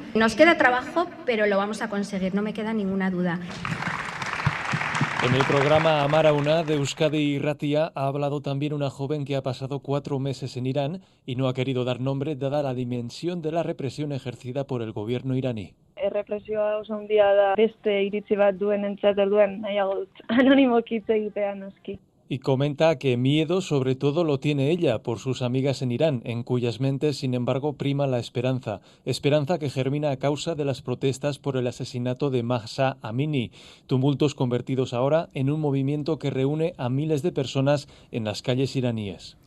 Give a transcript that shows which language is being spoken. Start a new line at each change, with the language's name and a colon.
Spanish: Nos queda trabajo, pero lo vamos a conseguir, no me queda ninguna duda. En el programa Amar a Una de Euskadi y Ratia ha hablado también una joven que ha pasado 4 meses en Irán y no ha querido dar nombre dada la dimensión de la represión ejercida por el gobierno iraní.
Basque: Errepresioa oso handia da, beste iritzi bat duen entzat erduen, nahiago dut, anonimoki hitz egitea noski.
Spanish: Y comenta que miedo sobre todo lo tiene ella por sus amigas en Irán, en cuyas mentes, sin embargo, prima la esperanza. Esperanza que germina a causa de las protestas por el asesinato de Mahsa Amini. Tumultos convertidos ahora en un movimiento que reúne a miles de personas en las calles iraníes.